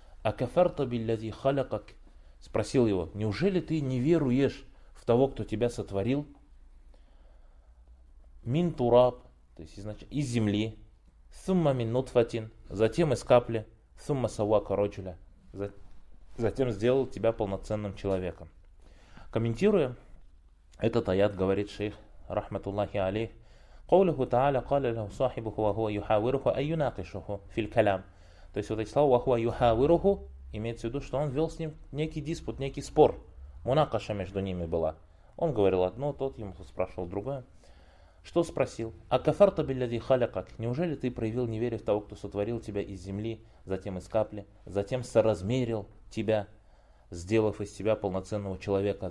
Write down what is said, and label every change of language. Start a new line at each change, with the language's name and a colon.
Arabic: «Акафарта биллязи халякак?»
Russian: Спросил его, «Неужели ты не веруешь в того, кто тебя сотворил?» «Мин тураб», то есть значит, «из земли»,
Arabic: «сумма мин нутфатин»,
Russian: «затем из капли»,
Arabic: «сумма савака роджуля»,
Russian: «затем сделал тебя полноценным человеком». Комментируя этот аят, говорит шейх, рахматуллахи алейх,
Arabic: قوله تعالى قال له صاحبه وهو يحاوره أي يناقشه في الكلام.
Russian: То есть вот эти слова
Arabic: وهو يحاوره
Russian: имеется в виду, что он вел с ним некий диспут, некий спор. Мунакаша между ними была. Он говорил одно, тот ему спрашивал другое. Что спросил?
Arabic: Акафарта билляди халякак.
Russian: Неужели ты проявил неверие в того, кто сотворил тебя из земли, затем из капли, затем соразмерил тебя, сделав из тебя полноценного человека?